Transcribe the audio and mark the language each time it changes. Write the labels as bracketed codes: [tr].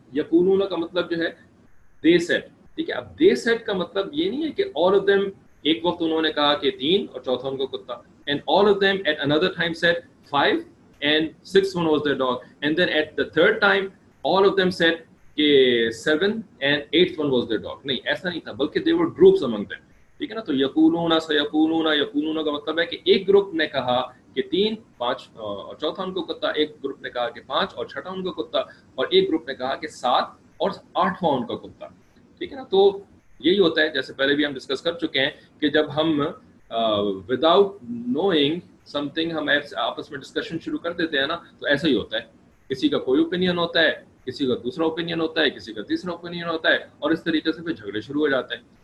[ur] یقولون کا مطلب جو ہے [en] They said. [ur] ٹھیک ہے, اب [en] they said [ur] کا مطلب یہ نہیں ہے کہ [en] all of them, [ur] ایک وقت انہوں نے کہا کہ تین اور چوتھا ان کا کتا, [en] And all of them at another time said five and six one was there dog, and then at the third time all of them said کہ seven and eight one was there dog. [ur] نہیں, ایسا نہیں تھا, بلکہ [en] They were groups among them. [ur] ٹھیک ہے نا, تو یقولون سیقولون, یقولون کا مطلب ہے کہ ایک گروپ نے کہا کہ تین, پانچ اور چوتھا ان کو کتا, ایک گروپ نے کہا کہ پانچ اور چھٹا ان کو کتا, اور ایک گروپ نے کہا کہ سات اور آٹھواں ان کا کتا. ٹھیک ہے نا, تو یہی ہوتا ہے, جیسے پہلے بھی ہم ڈسکس کر چکے ہیں کہ جب ہم [en] without knowing something [ur] ہم آپس میں ڈسکشن شروع کر دیتے ہیں نا, تو ایسا ہی ہوتا ہے, کسی کا کوئی اوپینین ہوتا ہے, کسی کا دوسرا اوپینین ہوتا ہے, کسی کا تیسرا اوپینین ہوتا ہے, اور اس طریقے سے پھر جھگڑے شروع ہو جاتے ہیں.